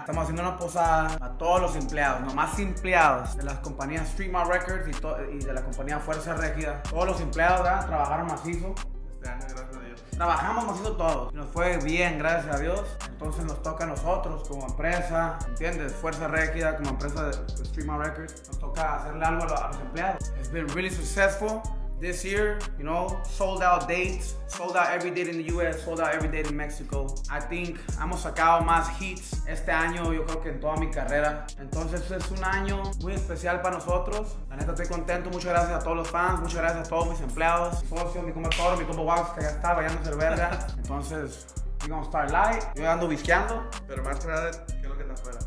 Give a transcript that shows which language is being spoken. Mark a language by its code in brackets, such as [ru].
[es] Estamos haciendo una posada a todos los empleados, nomás empleados de las compañías Streetmart Records y de la compañía Fuerza Régida. Todos los empleados, ¿verdad? Trabajaron macizo. Trabajamos macizo todos. Nos fue bien, gracias a Dios. Entonces nos toca a nosotros como empresa, ¿entiendes? Fuerza Régida, como empresa de Streetmart Records. Nos toca hacerle algo a los empleados. [en] It's been really successful this year, you know, sold out dates, sold out every date in the US, sold out every date in Mexico. I think [es] hemos sacado más hits este año, yo creo que en toda mi carrera. Entonces es un año muy especial para nosotros. La neta estoy contento, muchas gracias a todos los fans, muchas gracias a todos mis empleados, mi socio, mi compa Toro, mi compa Wax, que ya está bañándose el verga. Entonces, [en] we're gonna start light. [es] Yo ando bisqueando. Pero más que nada, ¿qué es lo que está afuera?